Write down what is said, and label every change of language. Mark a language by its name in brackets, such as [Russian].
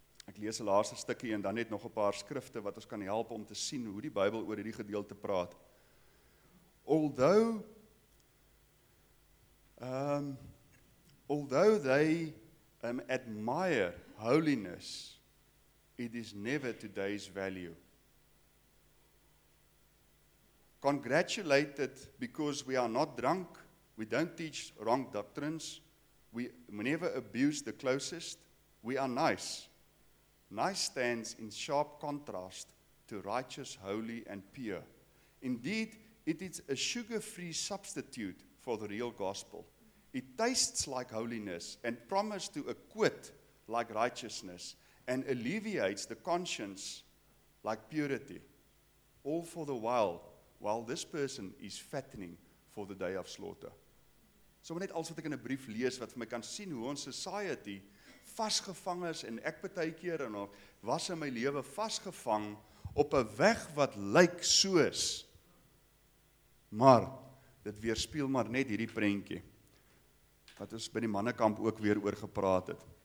[Afrikaans] Ek lees 'n laaste stukkie en dan net nog 'n paar skrifte wat ons kan help om te sien hoe die Bybel oor hierdie gedeelte praat. [English] Although Although they admire holiness, it is never today's value. Congratulated because we are not drunk, we don't teach wrong doctrines, we never abuse the closest, we are nice. Nice stands in sharp contrast to righteous, holy, and pure. Indeed, it is a sugar-free substitute for the real gospel. It tastes like holiness and promises to acquit like righteousness and alleviates the conscience like purity. All for the while this person is fattening for the day of slaughter. [Afrikaans] So net also wat ek in 'n brief lees wat vir my kan sien hoe ons society vasgevang is en ek baie keer en al was in my lewe vasgevang op 'n weg wat lyk soos maar dit weerspieël maar net hierdie prentjie wat ons by die mannekamp ook weer oor gepraat het.